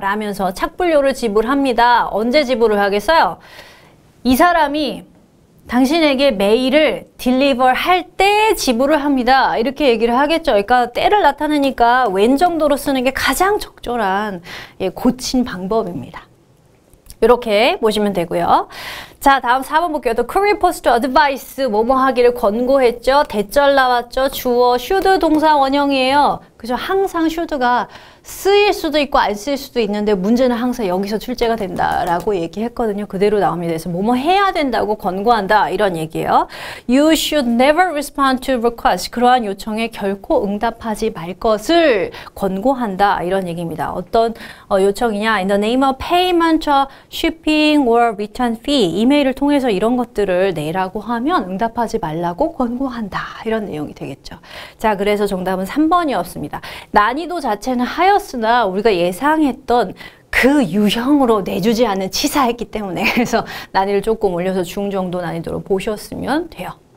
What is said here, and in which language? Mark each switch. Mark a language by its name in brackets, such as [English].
[Korean] 라면서 착불료를 지불합니다. 언제 지불을 하겠어요? 이 사람이 당신에게 메일을 딜리버 할 때 지불을 합니다. 이렇게 얘기를 하겠죠. 그러니까 때를 나타내니까 웬 정도로 쓰는 게 가장 적절한 고친 방법입니다. 이렇게 보시면 되고요. 자, 다음 4번 볼게요. [English] The Korean Post Advice [Korean] 뭐뭐 하기를 권고했죠. 대절 나왔죠. 주어 should 동사 원형이에요. 그죠? 항상 should가 쓰일 수도 있고 안 쓰일 수도 있는데 문제는 항상 여기서 출제가 된다라고 얘기했거든요. 그대로 나옵니다. 그래서 뭐뭐 해야 된다고 권고한다 이런 얘기예요. [English] You should never respond to requests. [Korean] 그러한 요청에 결코 응답하지 말 것을 권고한다 이런 얘기입니다. 어떤 요청이냐? [English] In the name of payment, shipping or return fee. [Korean] 이메일을 통해서 이런 것들을 내라고 하면 응답하지 말라고 권고한다. 이런 내용이 되겠죠. 자, 그래서 정답은 3번이었습니다. 난이도 자체는 하였으나 우리가 예상했던 그 유형으로 내주지 않은 치사했기 때문에 그래서 난이도를 조금 올려서 중정도 난이도로 보셨으면 돼요.